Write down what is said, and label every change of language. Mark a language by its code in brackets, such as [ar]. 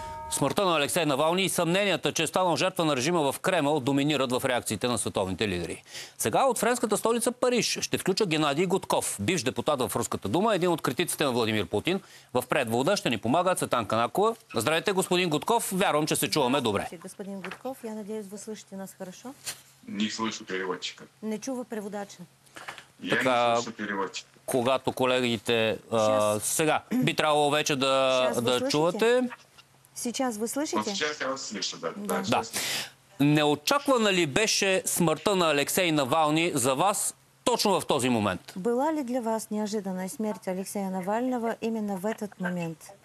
[bg] Смъртта на Алексей Навални и съмненията, че е станал жертва на режима в Кремъл, доминират в реакциите на световните лидери. Сега от френската столица Париж ще включа Геннадий Гудков, бивш депутат в Руската дума, един от критиците на Владимир Путин. В предвода ще ни помага Цветан Канакова. Здравейте, господин Гудков. Вярвам, че се чуваме добре. Здравейте, господин Гудков. [ru] Я надеюсь, вы слышите нас хорошо. Не слышу переводчика. [bg] Не чува преводача. [ru] Така, я не слышу переводчика. [bg] Когато колегите сега би трябвало вече да чувате. [ru] Сейчас вы слышите? Сейчас я вас слышу, да. Да. [bg] Неочаквана ли беше смъртта на Алексей Навални за вас точно в този момент? [ru] Была ли для вас неожиданная смерть Алексея Навального именно в этот момент?